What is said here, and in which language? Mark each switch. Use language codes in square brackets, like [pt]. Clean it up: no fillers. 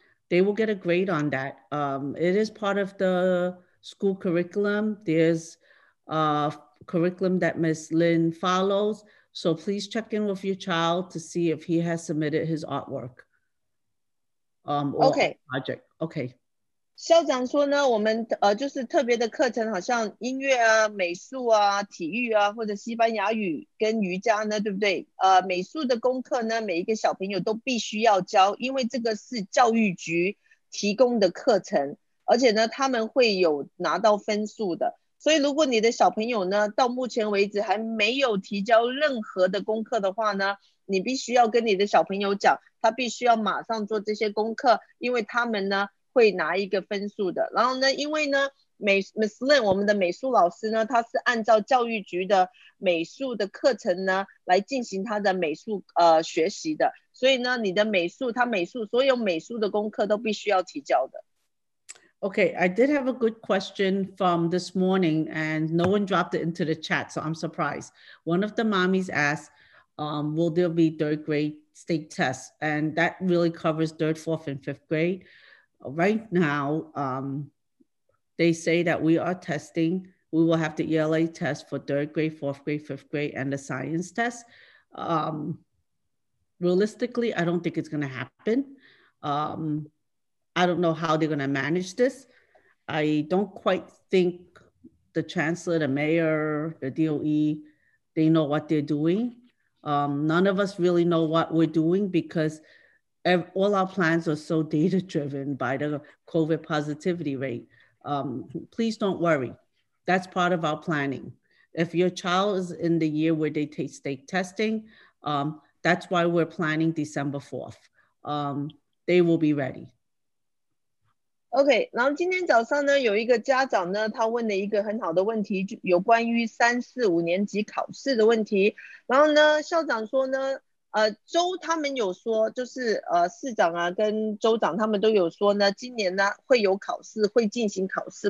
[en] They will get a grade on that. It is part of the school curriculum. There's a curriculum that Ms. Lin follows. So please check in with your child to see if he has submitted his artwork, or art OK， project. Okay. [zh] 校长说呢，我们就是特别的课程，好像音乐啊、美术啊、体育啊，或者西班牙语跟瑜伽呢，对不对？美术的功课呢，每一个小朋友都必须要教，因为这个是教育局提供的课程，而且呢，他们会有拿到分数的。所以，如果你的小朋友呢，到目前为止还没有提交任何的功课的话呢，你必须要跟你的小朋友讲，他必须要马上做这些功课，因为他们呢会拿一个分数的。然后呢，因为呢，Miss Lin 我们的美术老师呢，他是按照教育局的美术的课程呢来进行他的美术学习的，所以呢，你的美术他美术所有美术的功课都必须要提交的。 [en] Okay, I did have a good question from this morning and no one dropped it into the chat, so I'm surprised. One of the mommies asked, will there be third grade state tests? And that really covers third, fourth, and fifth grade. Right now, they say that we are testing. We will have the ELA test for third grade, fourth grade, fifth grade, and the science test. Realistically, I don't think it's going to happen. I don't know how they're going to manage this. I don't quite think the chancellor, the mayor, the DOE, they know what they're doing. None of us really know what we're doing because all our plans are so data driven by the COVID positivity rate. Please don't worry. That's part of our planning. If your child is in the year where they take state testing, that's why we're planning December 4th. They will be ready. [zh] OK，然后今天早上呢，有一个家长呢，他问了一个很好的问题，就有关于三四五年级考试的问题。然后呢，校长说呢，州他们有说，就是市长啊跟州长他们都有说呢，今年呢会有考试，会进行考试。